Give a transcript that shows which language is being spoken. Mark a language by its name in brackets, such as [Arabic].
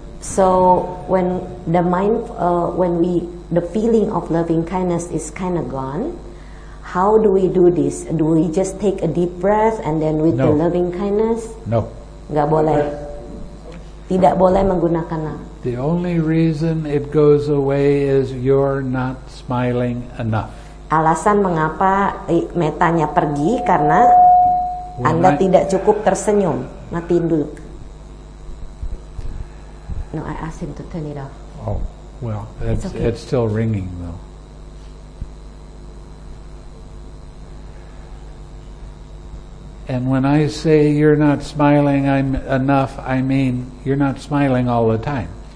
[English] So when the mind, when we the feeling of loving kindness is kind of gone. How do we do this? Do we just take a deep breath and then with no. The loving kindness? No. [Indonesian] Enggak boleh. Tidak boleh menggunakan. [English] The only reason it goes away is you're not smiling enough. [Indonesian] Alasan mengapa metanya pergi karena Anda tidak cukup tersenyum. Matiin dulu. [English] No, I asked him to turn it off. Oh, well, it's okay. It's still ringing though. And when I say you're not smiling enough, I mean you're not smiling all the time.